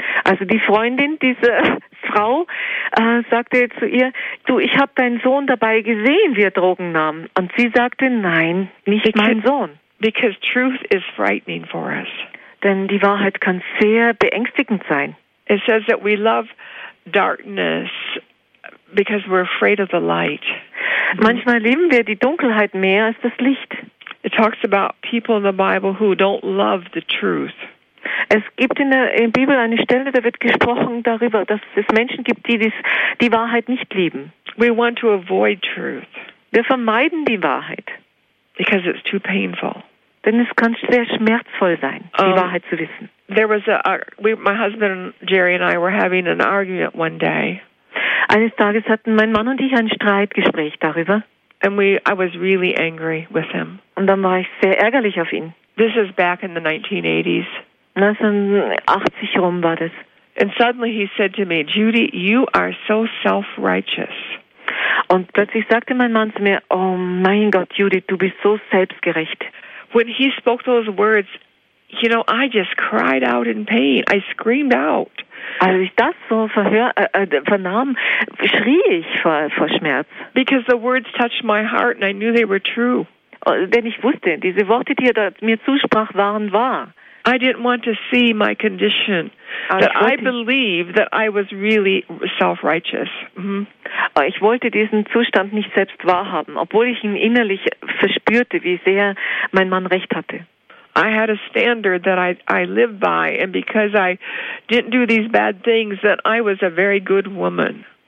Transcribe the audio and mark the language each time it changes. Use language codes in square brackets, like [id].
[de] Also die Freundin dieser Frau sagte zu ihr, du, ich habe deinen Sohn dabei gesehen, wie er Drogen nahm. Und sie sagte, nein, nicht mein Sohn. [en] Because truth is frightening for us. [de] Denn die Wahrheit kann sehr beängstigend sein. [en] It says that we love darkness because we're afraid of the light. [de] Manchmal lieben wir die Dunkelheit mehr als das Licht. [en] It talks about people in the Bible who don't love the truth. [de] Es gibt in der Bibel eine Stelle, da wird gesprochen darüber, dass es Menschen gibt, die die Wahrheit nicht lieben. [en] We want to avoid truth. [de] Wir vermeiden die Wahrheit. [en] Because it's too painful. [de] Denn es kann sehr schmerzvoll sein, die Wahrheit zu wissen. [en] There was my husband Jerry and I were having an argument one day. [de] Eines Tages hatten mein Mann und ich ein Streitgespräch darüber. [en] I was really angry with him. [de] Und dann war ich sehr ärgerlich auf ihn. [en] This is back in the 1980s. [de] 1980 rum war das. [en] And suddenly he said to me, Judy, you are so self-righteous. [de] Und plötzlich sagte mein Mann zu mir, oh mein Gott, Judy, du bist so selbstgerecht. [en] When he spoke those words, you know, I just cried out in pain. I screamed out. [de] Als ich das so vernahm, schrie ich vor Schmerz. [en] Because the words touched my heart and I knew they were true. [de] Denn ich wusste, diese Worte, die er mir zusprach, waren wahr. [en] I didn't want to see my condition. That I believe that I was really self-righteous. Mm-hmm. [de] Ich wollte diesen Zustand nicht selbst wahrhaben, obwohl ich ihn innerlich verspürte, wie sehr mein Mann recht hatte. [en] I had a standard that I lived by, and because I didn't do these bad things, that I was a very good woman.